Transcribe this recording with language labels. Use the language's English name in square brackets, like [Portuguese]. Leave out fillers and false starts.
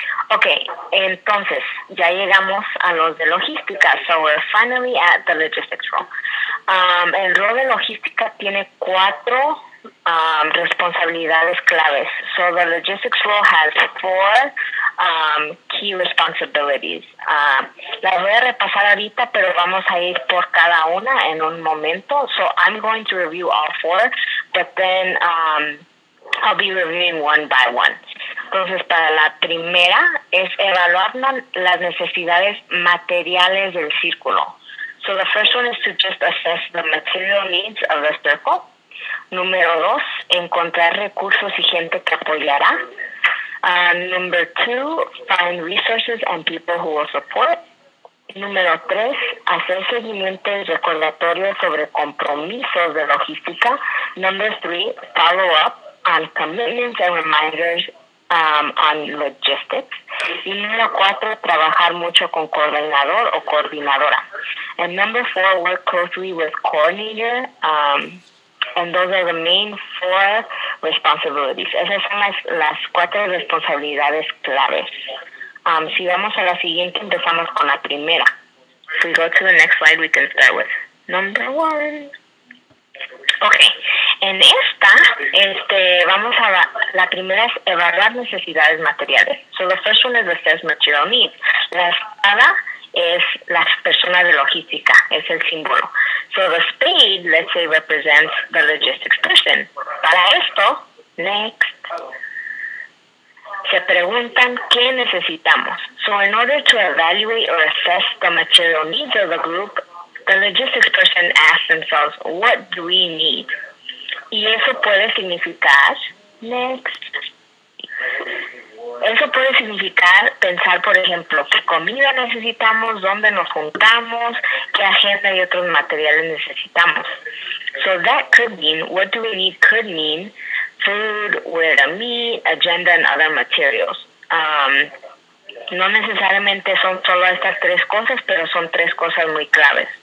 [Spanish] Okay, entonces, ya llegamos a los de logística. So we're finally at the logistics role. El rol de logística tiene cuatro responsabilidades claves. [English] So the logistics role has four key responsibilities. [Spanish] Las voy a repasar ahorita, pero vamos a ir por cada una en un momento. [English] So I'm going to review all four, but then I'll be reviewing one by one. [Spanish] Entonces, para la primera es evaluar las necesidades materiales del círculo. [English] So the first one is to just assess the material needs of the circle. [Spanish] Número dos, encontrar recursos y gente que apoyará. [English] Number two, find resources and people who will support. [Spanish] Número tres, hacer seguimiento y recordatorio sobre compromisos de logística. [English] Number three, follow up on commitments and reminders on logistics. [Spanish] Y número cuatro, trabajar mucho con coordinador o coordinadora. [English] And number four, work closely with coordinator. And those are the main four responsibilities. [Spanish] Esas son las cuatro responsabilidades claves. Si vamos a la siguiente, empezamos con la primera. [English] If we go to the next slide, we can start with number one. Okay. [Spanish] En esta, vamos a la primera es evaluar necesidades materiales. [English] So the first one is the assess material needs. [Spanish] La espada es la persona de logística, es el símbolo. [English] So the spade, let's say, represents the logistics person. [Spanish] Para esto, next, se preguntan qué necesitamos. [English] So in order to evaluate or assess the material needs of the group, the logistics person asks themselves, what do we need? [Spanish] Y eso puede significar, next, Eso puede significar pensar, por ejemplo, qué comida necesitamos, dónde nos juntamos, qué agenda y otros materiales necesitamos. [English] So that could mean, what do we need could mean, food, where to meet, agenda and other materials. [Spanish] No necesariamente son solo estas tres cosas, pero son tres cosas muy claves.